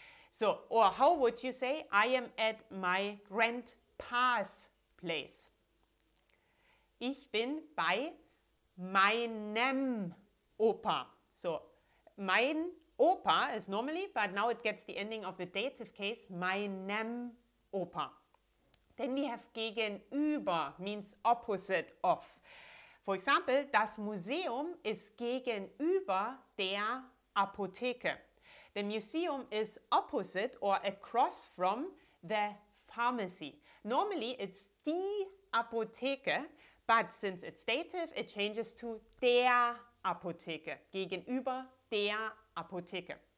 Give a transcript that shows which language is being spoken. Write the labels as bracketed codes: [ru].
[en] So, or how would you say, I am at my grandpa's place? [de] Ich bin bei meinem Opa. [en] So, mein Opa is normally, but now it gets the ending of the dative case, meinem Opa. Then we have gegenüber, means opposite of. For example, [de] das Museum ist gegenüber der Apotheke. [en] The museum is opposite or across from the pharmacy. Normally it's die Apotheke, but since it's dative, it changes to der Apotheke, gegenüber der Apotheke.